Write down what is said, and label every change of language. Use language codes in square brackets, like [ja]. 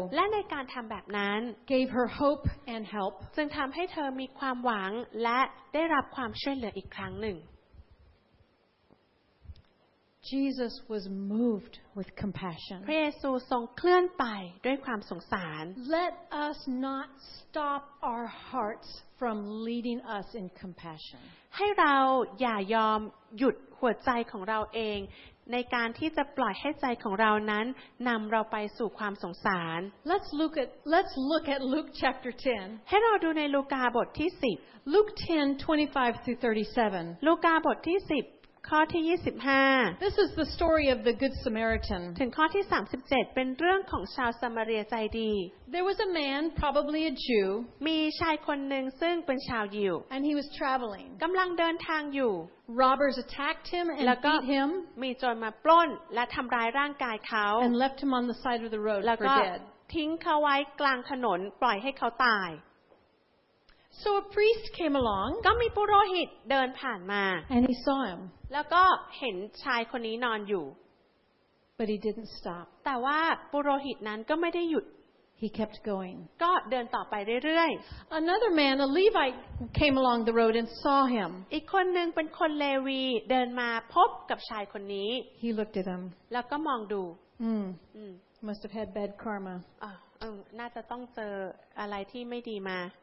[th] และในการทำแบบนั้น [en] gave her hope and help [th] จึงทำให้เธอมีความหวังและได้รับความช่วยเหลืออีกครั้งหนึ่ง [en] Jesus was moved with compassion. [th] พระเยซูทรงเคลื่อนไปด้วยความสงสาร [en] Let us not stop our hearts from leading us in compassion. [th] ให้เราอย่ายอมหยุดหัวใจของเราเองในการที่จะปล่อยให้ใจของเรานั้นนำเราไปสู่ความสงสาร [en] Let's look at Luke chapter 10. [th] ให้เราดูในลูกาบทที่10 [en] Luke 10 25 through 37. [th] ลูกาบทที่10ข้อที่25 [en] This is the story of the good Samaritan. [th] ถึงข้อที่37เป็นเรื่องของชาวซามาเรียใจดี [en] There was a man, probably a Jew. [th] มีชายคนหนึ่งซึ่งเป็นชาวยิว [en] And he was traveling. [th] กำลังเดินทางอยู่ [en] Robbers attacked him and beat him. [th] มีโจรมาปล้นและทำร้ายร่างกายเขา [en] And left him on the side of the road for dead. [th] ทิ้งเขาไว้กลางถนนปล่อยให้เขาตาย [en] So a priest came along. [th] ก็มีปุโรหิตเดินผ่านมา [en] And he saw him. [th] แล้วก็เห็นชายคนนี้นอนอยู่ [en] But he didn't stop. [th] แต่ว่าปุโรหิตนั้นก็ไม่ได้หยุด [en] He kept going. [th] ก็เดินต่อไปเรื่อย [en] ๆ Another man, a Levite, came along the road and saw him. [th] อีกคนหนึ่งเป็นคนเลวีเดินมาพบกับชายคนนี้ [en] He looked at him. [th] แล้วก็มองดู [en] Must have had bad karma. อ่า [th] น่าจะต้องเจออะไรที่ไม่ดีมา